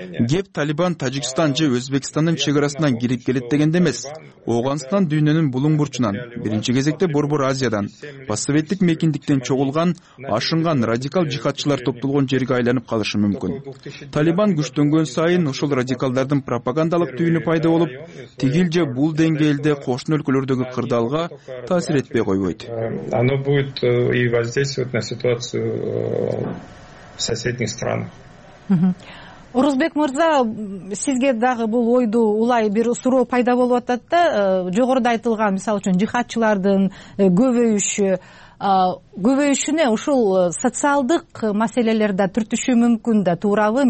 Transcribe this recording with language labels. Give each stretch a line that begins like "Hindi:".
Kyrgyz: Кеп Талибан Тажикстан же Өзбекстандын чек арасынан кирип келет дегенде эмес, Ооганстан дүйнөнүн булуң бурчунан, биринчи кезекте Борбор Азиядан, постсоветтик мекиндиктен чогулган, ашынган радикал жихатчылар топтолгон жерге айланып калышы мүмкүн. Талибан күчтөнгөн сайын ошол радикалдардын пропагандалык түйүнү пайда болуп, тигил же бул деңгээлде кошуна өлкө өлкөлөрдөгү кырдаалга таасир этпей койбойт.
Russian: Оно будет и воздействовать на ситуацию соседних стран.
Kyrgyz: Орозбек мырза, сизге дагы бул ойду улай бир суроо пайда болуп атат да, жогоруда айтылган мисалы үчүн жихатчылардын көбөйүшү, көбөйүшүнө ушул социалдык маселелер да түртүшү мүмкүн да, туурабы?